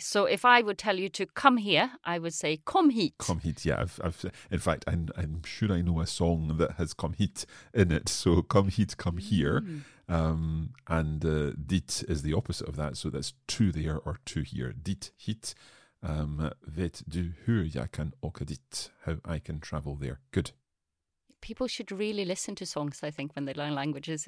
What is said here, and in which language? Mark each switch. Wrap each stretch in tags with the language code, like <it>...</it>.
<en>So if I would tell you to come here, I would say</en> <sv>kom hit. Kom hit, yeah.</sv> <en>In fact, I'm sure I know a song that has</en> <sv>kom hit</sv> <en>in it. So</en> <sv>kom hit,</sv> <en>come here. Mm. And dit is the opposite of that. So that's to there or to here.</en> <sv>Dit hit. Vet du hur jag kan åka dit?</sv> <en>How I can travel there. Good. People should really listen to songs, I think, when they learn languages.</en>